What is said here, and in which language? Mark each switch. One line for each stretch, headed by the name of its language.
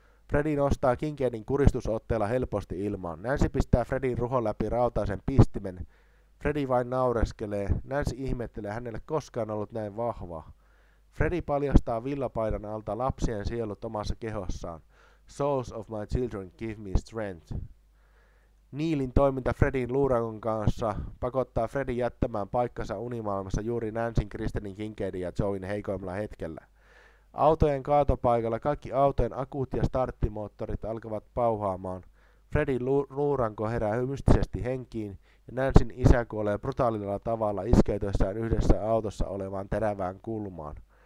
Finnish: Freddy nostaa Kincaidin kuristusotteella helposti ilmaan. Nancy pistää Freddyn ruhon läpi rautaisen pistimen. Freddy vain naureskelee. Nancy ihmettelee, hänelle koskaan ollut näin vahva. Freddy paljastaa villapaidan alta lapsien sielut omassa kehossaan.
English: Souls of my children give me strength.
Finnish: Neilin toiminta Freddyn luurangon kanssa pakottaa Freddy jättämään paikkansa unimaailmassa juuri Nancyn, Kristenin, Kincaidin ja Joeyn heikoimmalla hetkellä. Autojen kaatopaikalla kaikki autojen akut ja starttimoottorit alkavat pauhaamaan. Freddyn luuranko herää mystisesti henkiin ja Nancyn isä kuolee brutaalilla tavalla iskeytyessään yhdessä autossa olevaan terävään kulmaan.